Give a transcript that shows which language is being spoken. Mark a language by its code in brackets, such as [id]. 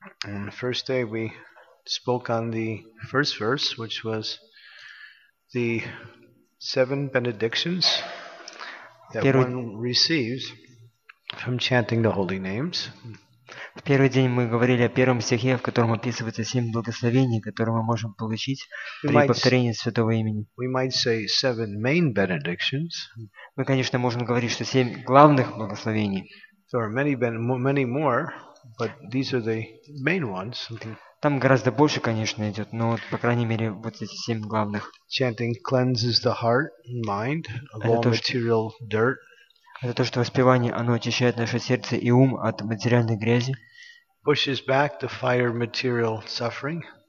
[en] On the first day we spoke on the first verse, which was the seven benedictions that one receives from chanting the holy names. [ru] В первый день мы говорили о первом стихе, в котором описывается семь благословений, которые мы можем получить при повторении святого имени. [en] We might say seven main benedictions. [ru] Мы, конечно, можем говорить, что семь главных благословений. [en] There are many more, but these are the main ones. [ru] Там гораздо больше, конечно, идет, но вот, по крайней мере, вот эти семь главных. [en] Chanting cleanses the heart and mind of all material dirt. [ru] Это то, что воспевание, оно очищает наше сердце и ум от материальной грязи. [en] Pushes back the fire material suffering.